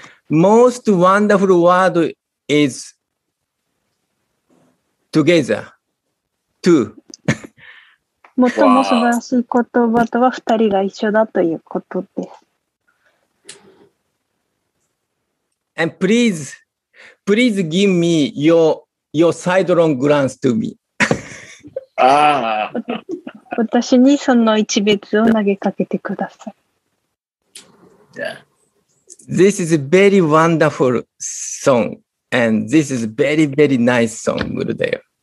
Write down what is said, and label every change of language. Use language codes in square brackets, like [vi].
[en] Most wonderful word is together. Two. [ja] 最も素晴らしい言葉とは二人が一緒だということです。 [en] And please give me your sidelong glance to me. Ah. [ja] 私にその一別を投げかけてください。 Yeah. [en] This is a very wonderful song, and this is a very, very nice song, Gurudev.